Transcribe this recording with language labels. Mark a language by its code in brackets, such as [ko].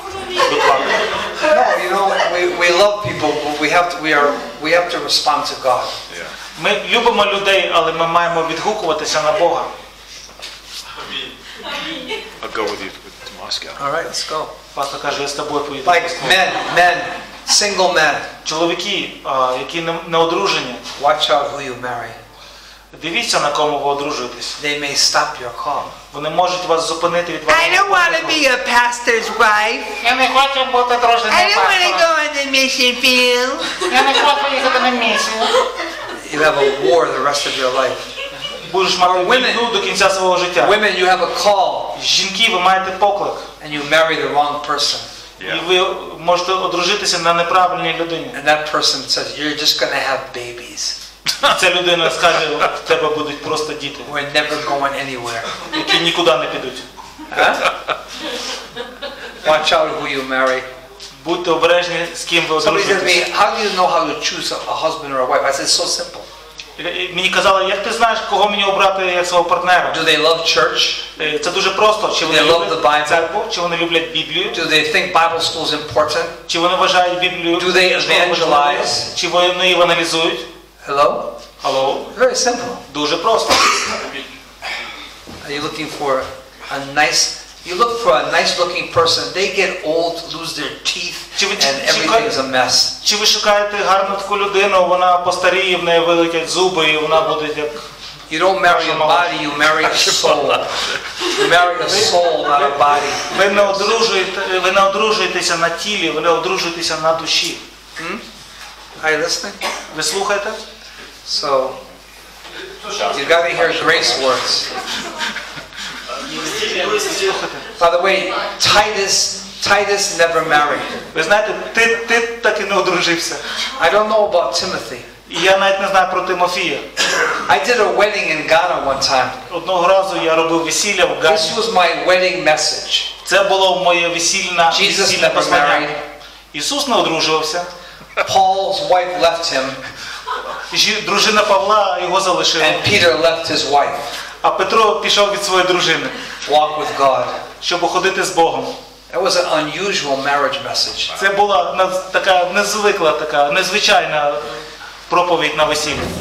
[en] No, you know, we love people, but we have to respond to God. [uk] Ми любимо людей, але ми маємо відгукуватися на Бога. [en] I'll go with you to Moscow. All right, let's go. [uk] Пастор каже, я з тобою поїду. [en] Like men, single men. [uk] Чоловіки, які не одружені. [en] Watch out who you marry. [uk] Дивіться, на кому ви одружуєтесь. [en] They may stop your call. [uk] Вони можуть вас зупинити від вашого. [en] I don't want to be a pastor's wife. [uk] Я не хочу бути дружиною пастора. [en] I don't want to go on the mission field. [uk] Я не хочу їхати на місію. [en] You have a war the rest of your life. [uk] Будеш мати війну до кінця свого життя. [en] Women, you have a call. [uk] Жінки, ви маєте поклик. [en] And you marry the wrong person. [uk] І ви можете одружитися на неправильній людині. [en] And that person says, you're just going to have babies. [uk] Ця людина скаже, в тебе будуть просто діти. [en] We're never going anywhere. [uk] Які нікуди не підуть. [en] Watch out who you marry. [uk] Будьте обережні, з ким ви одружитесь. [en] Somebody said to me, how do you know how to choose a husband or a wife? I said, it's so simple. [uk] Мені казали, як ти знаєш, кого мені обрати як свого партнера? [en] Do they love church? [uk] Це дуже просто. Чи вони люблять церкву? Чи вони люблять Біблію? [en] Do they think Bible school is important? [uk] Чи вони вважають Біблію? [en] Do they evangelize? [uk] Чи вони евангелізують? [en] Hello? Hello? Very simple. [uk] Дуже просто. [en] Are you looking for a nice... You look for a nice looking person, they get old, lose their teeth, and everything is a mess. [uk] Чи ви шукаєте гарну таку людину, вона постаріє, в неї вилетять зуби, і вона буде як... [en] You don't marry a body, you marry a soul. You marry a soul, not a body. [uk] Ви не одружуєтеся на тілі, ви не одружуєтеся на душі. [en] Are you listening? [uk] Ви слухаєте? [en] So, you gotta hear grace words. By the way, Titus Titus never married. [uk] Ви знаєте, ти так і не одружився. [en] I don't know about Timothy. [uk] Я навіть не знаю про Тимофія. [en] I did a wedding in Ghana one time. [uk] Одного разу я робив весілля в Гані. [en] This was my wedding message. [uk] Це було моє весільне послання. [en] Jesus never married. [uk] Ісус не одружувався. [en] Paul's wife left him. [uk] Дружина Павла його залишила. [en] And Peter left his wife. [uk] А Петро пішов від своєї дружини. [en] Walk with God. [uk] Щоб ходити з Богом. [en] It was an unusual marriage message. [uk] Це була така незвикла, така незвичайна проповідь на весіллі.